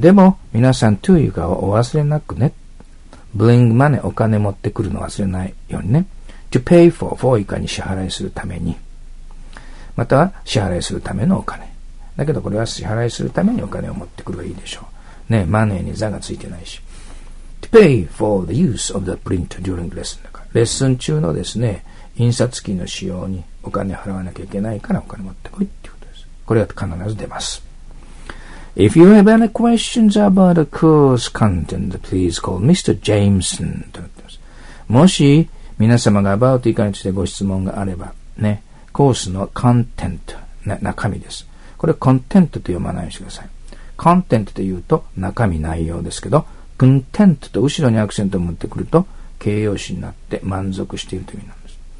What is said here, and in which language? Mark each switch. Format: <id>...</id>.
<ja>でも、皆さん、to 以下をお忘れなくね。 bring money、お金持ってくるの忘れないようにね。 to pay for、 4以下に支払いするために。または、支払いするためのお金。だけどこれは支払いするためにお金を持ってくればいいでしょう。ね、マネーに座がついてないし。</ja> <en>To pay for the use of the print during lesson.</en> <ja>レッスン中のですね、印刷機の使用にお金払わなきゃいけないからお金持ってこいっていうことです。これは必ず出ます。</ja> <en>If you have any questions about the course content, please call Mr.</en> <ja>Jameson. となってます。もし、皆様が about 以下についてご質問があれば、ね、コースのコンテント、中身です。これコンテントと読まないようにしてください。コンテントと言うと中身内容ですけど、コンテントと後ろにアクセントを持ってくると形容詞になって満足しているという意味なんです。</ja>